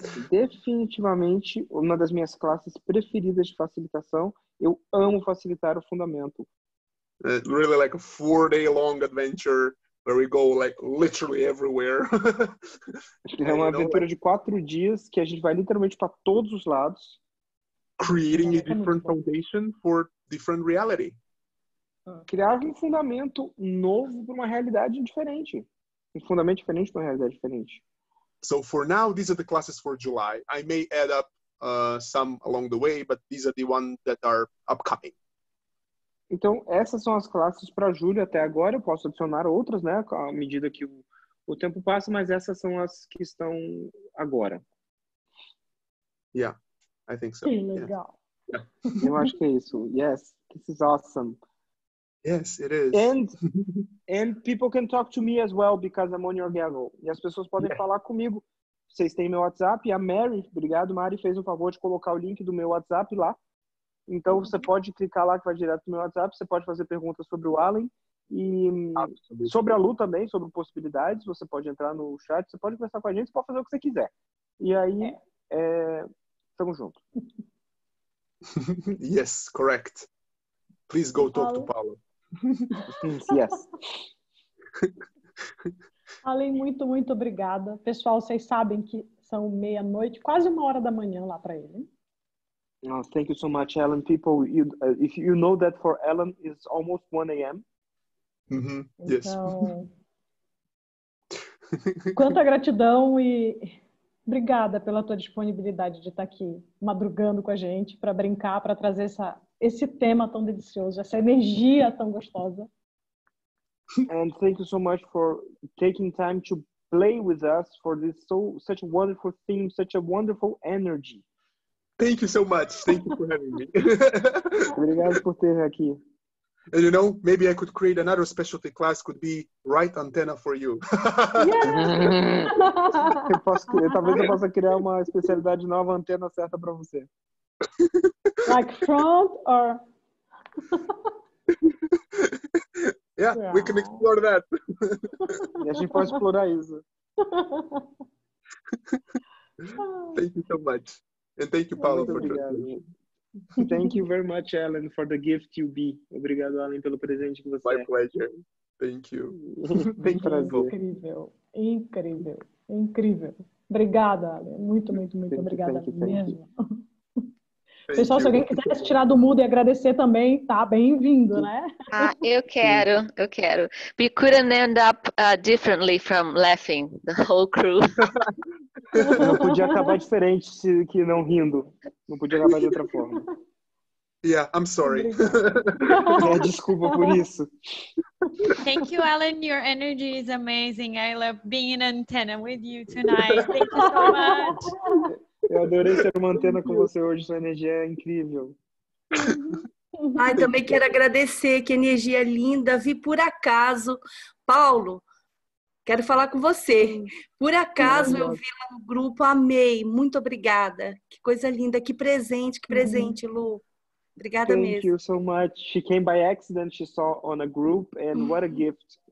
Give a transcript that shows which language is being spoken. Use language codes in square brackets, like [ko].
[pt] Definitivamente uma das minhas classes preferidas de facilitação. Eu amo facilitar o fundamento. [en] Really like a 4-day long adventure where we go like literally everywhere. [pt] É uma aventura de 4 dias que a gente vai literalmente para todos os lados. [en] Creating a different foundation for different reality. [pt] Criar um fundamento novo para uma realidade diferente. Um fundamento diferente para uma realidade diferente. [en] So, for now, these are the classes for July. I may add up some along the way, but these are the ones that are upcoming. [pt] Então, essas são as classes para julho até agora. Eu posso adicionar outras, né, à medida que o tempo passa, mas essas são as que estão agora. [en] Yeah, I think so. [pt] Que legal. [en] Yeah. [pt] Eu acho que é isso. [en] Yes, this is awesome. Yes, it is. And people can talk to me as well because I'm on your gaggle. [pt] E as pessoas podem falar comigo. Vocês têm meu WhatsApp. E a Mary, obrigado, Mary, fez o favor de colocar o link do meu WhatsApp lá. Então você pode clicar lá que vai direto no meu WhatsApp. Você pode fazer perguntas sobre o Allen. E sobre a Lu também, sobre possibilidades. Você pode entrar no chat. Você pode conversar com a gente. Você pode fazer o que você quiser. E aí, tamo junto. [en] Yes, correct. Please go talk to Paulo. Yes. [pt] Allen, muito, muito obrigada. Pessoal, vocês sabem que são 00:30, quase 1 hora da manhã lá para ele. [en] Oh, thank you so much, Allen. People, if you know that for Allen, it's almost 1 a.m. Mm-hmm. Yes. [pt] Então, quanta gratidão e obrigada pela tua disponibilidade de estar aqui madrugando com a gente para brincar, para trazer esse tema tão delicioso, essa energia tão gostosa. [en] And thank you so much for taking time to play with us for this such a wonderful theme, such a wonderful energy. Thank you so much. Thank you for having me. [pt] Obrigado por ter aqui. [en] And you know, maybe I could create another specialty class, could be right antenna for you. Yeah. [pt] talvez eu possa criar uma especialidade nova, antena certa para você. [en] Like front or yeah, we can explore that. [pt] E a gente pode explorar isso. [en] Thank you so much. And thank you, Paulo, for joining. Thank you very much, Alan, for the gift you be. [pt] Obrigado, Alan, pelo presente que você [en] My pleasure. Thank you. [pt] Bem prazer. Incrível. Incrível. Incrível. Obrigada, Alan. Muito, muito, muito obrigada mesmo. Pessoal, se alguém quiser se tirar do mudo e agradecer também, tá bem-vindo, né? Ah, eu quero, eu quero. [en] We couldn't end up differently from laughing, the whole crew. [pt] Não podia acabar diferente se, que não rindo. Não podia acabar de outra forma. [en] Yeah, I'm sorry. [pt] É, desculpa por isso. [en] Thank you, Alan. Your energy is amazing. I love being an antenna with you tonight. Thank you so much. [pt] Eu adorei ser uma antena com você hoje, sua energia é incrível. Ai, também quero agradecer, que energia linda. Vi por acaso, Paulo, quero falar com você. Por acaso eu vi lá no grupo, amei, muito obrigada. Que coisa linda, que presente, Lu. Obrigada [en] Thank [pt] mesmo. [en] Thank you so much. She came by accident, she saw on a group, and what a gift.